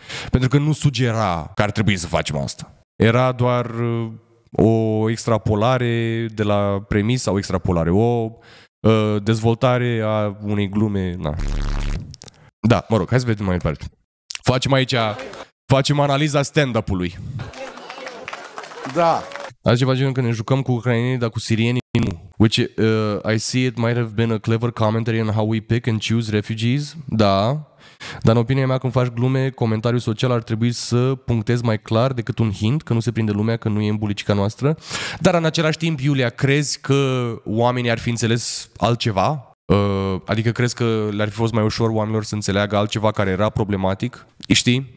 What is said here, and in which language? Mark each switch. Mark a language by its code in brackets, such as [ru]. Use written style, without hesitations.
[ro] Pentru că nu sugera că ar trebui să facem asta. Era doar o extrapolare de la premisă sau extrapolare, o dezvoltare a unei glume. Na. Da, mă rog, hai să vedem mai departe. Facem aici... Facem analiza stand-up-ului. Da. Azi ceva genul că ne jucăm cu ucrainenii, dar cu sirienii nu. [en] Which, I see it might have been a clever commentary on how we pick and choose refugees. [ro] Da. Dar în opinia mea, când faci glume, comentariul social ar trebui să punctezi mai clar decât un hint, că nu se prinde lumea, că nu e în bulicica noastră. Dar în același timp, Iulia, crezi că oamenii ar fi înțeles altceva? Adică crezi că le-ar fi fost mai ușor oamenilor să înțeleagă altceva care era problematic? Știi?